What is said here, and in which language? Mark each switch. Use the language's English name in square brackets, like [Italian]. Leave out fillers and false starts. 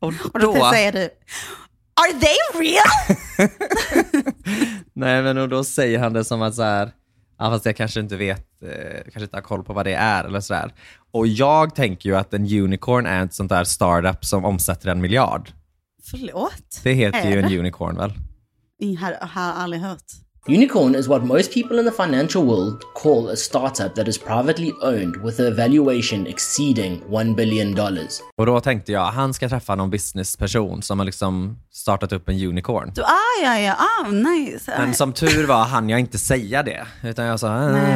[Swedish] Och då säger du, [English] are they real? [Swedish] Nej, men då säger han det som att så här, ja, fast jag kanske inte vet, kanske inte har koll på vad det är eller sådär. Och jag tänker ju att en unicorn är ett sånt där startup som omsätter en miljard. Förlåt? Det heter ju en unicorn, väl? Jag har aldrig hört. [English] Unicorn is what most people in the financial world call a startup that is privately owned with a valuation exceeding $1 billion. [Swedish] Och då tänkte jag, han ska träffa någon businessperson som har liksom startat upp en unicorn. Du, nice. Men som tur var hann jag inte säga det, utan jag sa...